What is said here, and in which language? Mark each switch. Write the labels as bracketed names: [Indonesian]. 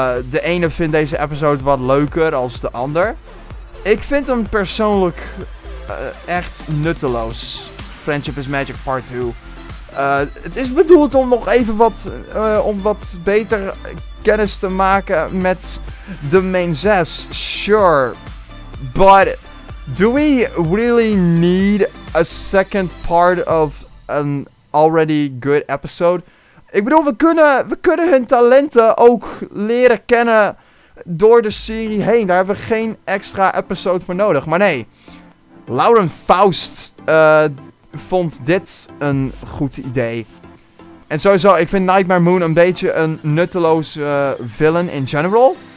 [Dutch] de ene vindt deze episode wat leuker als de ander. Ik vind hem persoonlijk echt nutteloos. Friendship is Magic Part 2. Het is bedoeld om nog even wat... om wat beter kennis te maken met de main 6. [English] Sure. But do we really need a second part of an already good episode? [Dutch] Ik bedoel, we kunnen hun talenten ook leren kennen door de serie heen. Daar hebben we geen extra episode voor nodig. Maar nee, Lauren Faust vond dit een goed idee. En sowieso, ik vind Nightmare Moon een beetje een nutteloze villain [English] in general.